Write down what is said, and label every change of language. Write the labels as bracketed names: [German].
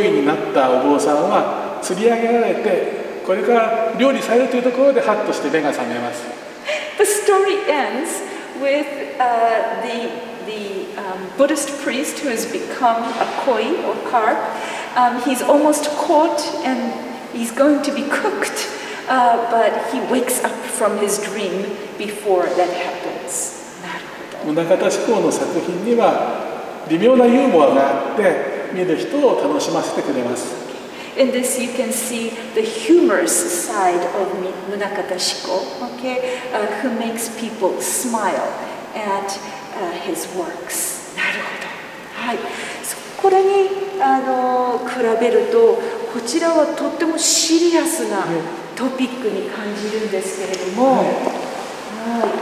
[Japanese] koi になったお坊さんは釣り上げられて、これから料理されるというところでハッとして目が覚めます。 [English] The story ends. With the Buddhist priest who has become a koi or carp, he's almost caught and he's going to be cooked, but he wakes up from his dream before that happens. [Japanese] なるほど。棟方志功の作品には微妙なユーモアがあって見る人を楽しませてくれます。 [English] In this, you can see the humorous side of Munakata Shiko, okay, who makes people smile at his works. [Japanese] なるほど。はい。これに比べると、こちらはとってもシリアスなトピックに感じるんですけれども、はい。